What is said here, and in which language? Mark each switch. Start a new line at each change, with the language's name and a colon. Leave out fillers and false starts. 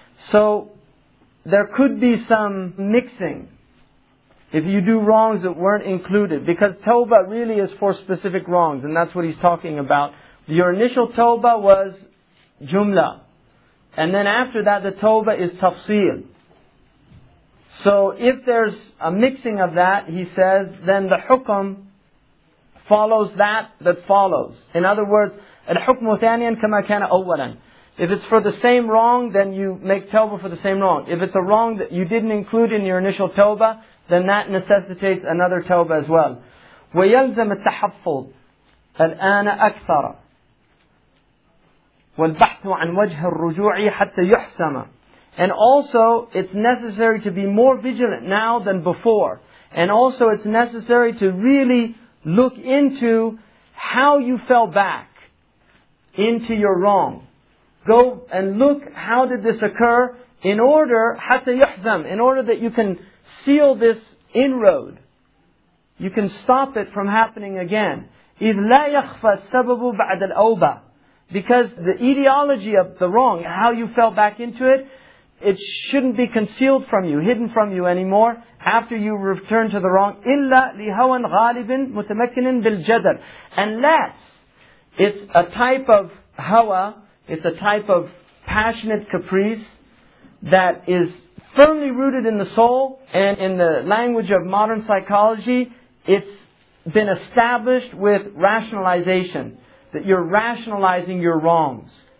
English: So there could be some mixing if you do wrongs that weren't included, because tawbah really is for specific wrongs, and that's what he's talking about. Your initial tawbah was jumla, and then after that the tawbah is tafsil. So if there's a mixing of that, he says, then the hukm follows that follows. In other words,
Arabic: الحكم ثانيا كما كان أولا.
English: If it's for the same wrong, then you make tawbah for the same wrong. If it's a wrong that you didn't include in your initial tawbah, then that necessitates another tawbah as well.
Arabic: ويلزم التحفظ الآن أكثر والبحث عن وجه الرجوع حتى يحسم.
English: And also, it's necessary to be more vigilant now than before. And also, it's necessary to really look into how you fell back into your wrong. Go and look, how did this occur, in order,
Arabic: حتى يحزم,
English: in order that you can seal this inroad. You can stop it from happening again.
Arabic: إذ لا يخفى السبب بعد الأوبة.
English: Because the etiology of the wrong, how you fell back into it, it shouldn't be concealed from you, hidden from you anymore, after you return to the wrong.
Arabic: إِلَّا لِهَوَنْ غَالِبٍ مُتَمَكِّنٍ بِالْجَدَرِ.
English: Unless it's a type of hawa, it's a type of passionate caprice that is firmly rooted in the soul, and in the language of modern psychology, it's been established with rationalization, that you're rationalizing your wrongs.